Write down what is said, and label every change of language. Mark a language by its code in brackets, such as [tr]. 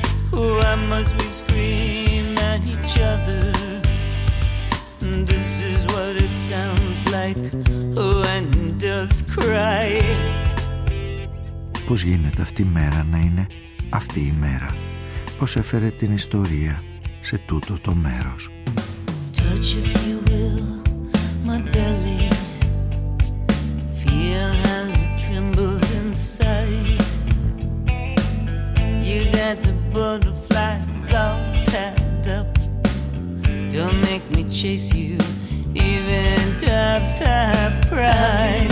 [en] Why must we scream at each other? This is what it sounds like when doves cry. [el] Πώς γίνεται αυτή η μέρα να είναι αυτή η μέρα. Πώς έφερε την ιστορία σε τούτο το μέρος. [en] Touch if you will my belly. Feel how it trembles inside. You got the butterflies all tied up. Don't make me chase you. Even doves have pride.